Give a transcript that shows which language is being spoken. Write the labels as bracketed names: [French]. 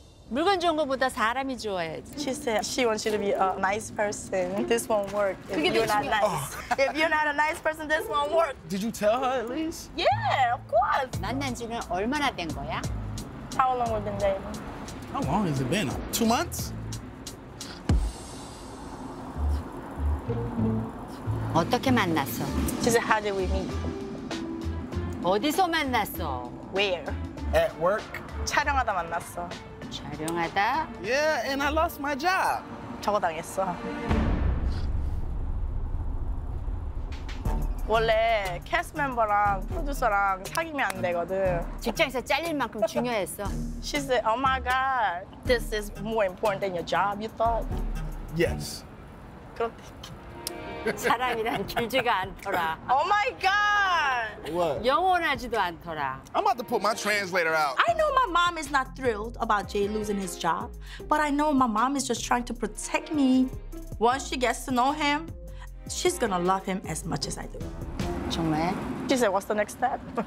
[Korean] 물건 좋은 것보다 사람이 좋아야지. [English] She said she wants you to be a nice person. This won't work if you're not nice. Oh. If you're not a nice person, this won't work. Did you tell her at least? Yeah, of course. [Korean] 만난 지는 얼마나 된 거야? [English] How long have we been dating? How long has it been? 2 months? [Korean] 어떻게 만났어? [English] She said, how did we meet? [Korean] 어디서 만났어? [English] Where? At work. [Korean] 촬영하다 만났어. 촬영하다? [English] Yeah, and I lost my job. [Korean] 저거 당했어. 원래 캐스트 멤버랑 프로듀서랑 사귀면 안 되거든. 직장에서 잘릴 만큼 중요했어. [English] She said, oh my God, this is more important than your job, you thought? Yes. [Korean] 그렇대. 사람이란 길지가 않더라. [English] Oh my God! What? [Korean] 영원하지도 않더라. [English] I'm about to put my translator out. I know my mom is not thrilled about Jay losing his job, but I know my mom is just trying to protect me. Once she gets to know him, she's gonna love him as much as I do. [Korean] 정말? [English] She said, what's the next step?